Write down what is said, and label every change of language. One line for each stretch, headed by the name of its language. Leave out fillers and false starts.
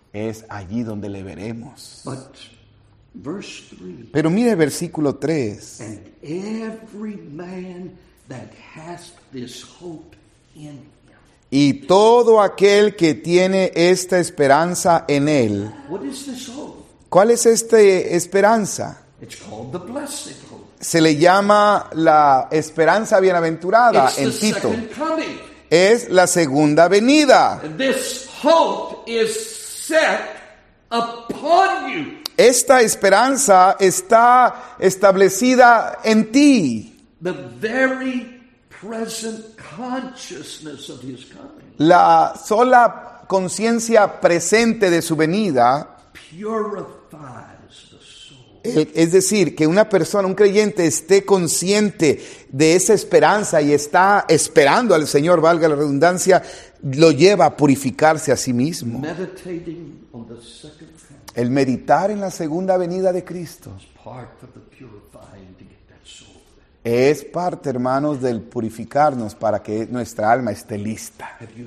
Spanish: Es allí donde le veremos.
English: But verse 3,
Spanish: pero mire el versículo 3.
English: And every man that has this hope in him.
Spanish: Y todo aquel que tiene esta esperanza en él.
English: What is this hope?
Spanish: ¿Cuál es esta esperanza?
English: It's called the blessed hope.
Spanish: Se le llama la esperanza bienaventurada.
English: It's
Spanish: en
English: the
Spanish: Tito.
English: Second coming.
Spanish: Es la segunda venida.
English: This hope is set upon you.
Spanish: Esta esperanza está establecida en ti.
English: The very present consciousness of his coming.
Spanish: La sola conciencia presente de su venida
English: purifies the soul.
Spanish: Es decir, que una persona, un creyente, esté consciente de esa esperanza y está esperando al Señor, valga la redundancia, lo lleva a purificarse a sí mismo.
English: Meditating on the second coming.
Spanish: El meditar en la segunda venida de Cristo
English: is part of the purifying.
Spanish: Es parte, hermanos, del purificarnos para que nuestra alma esté lista.